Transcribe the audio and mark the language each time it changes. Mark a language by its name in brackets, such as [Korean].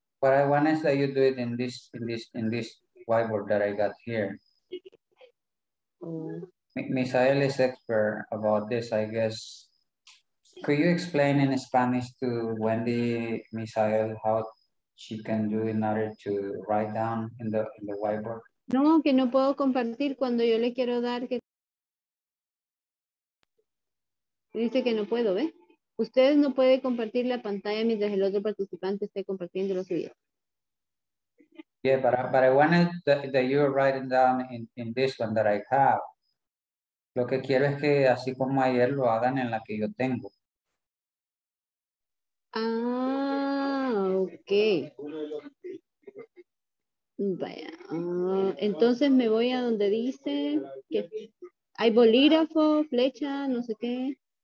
[English] What I want is that you do it in this whiteboard that I got here. Misael is expert about this, I guess. Could you explain in Spanish to Wendy, Misael, how she can do in order to write down in the whiteboard? [Spanish] No, que no puedo compartir cuando yo le quiero dar que. Dice que no puedo, ¿ve? Ustedes no pueden compartir la pantalla mientras el otro participante esté compartiendo los videos. [English] Yeah, but I wanted that you're writing down in this one that I have. [Spanish] Lo que quiero es que así como ayer lo hagan en la que yo tengo. Ah, ok. Vaya. Entonces me voy a donde dice que hay bolígrafo, flecha, no sé qué.